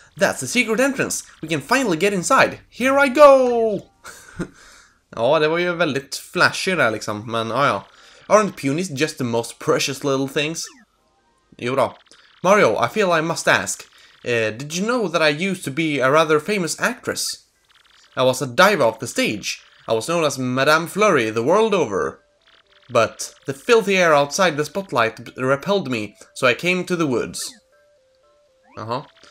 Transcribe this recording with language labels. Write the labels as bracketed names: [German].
[English] That's the secret entrance! We can finally get inside! Here I go! [Swedish] Ja, det var ju väldigt flashy där liksom, men ja. [English] Aren't punies just the most precious little things? Jo då. Mario, I feel I must ask. Did you know that I used to be a rather famous actress? I was a diver off the stage. I was known as Madame Flurry the world over. But the filthy air outside the spotlight repelled me, so I came to the woods. Uh-huh.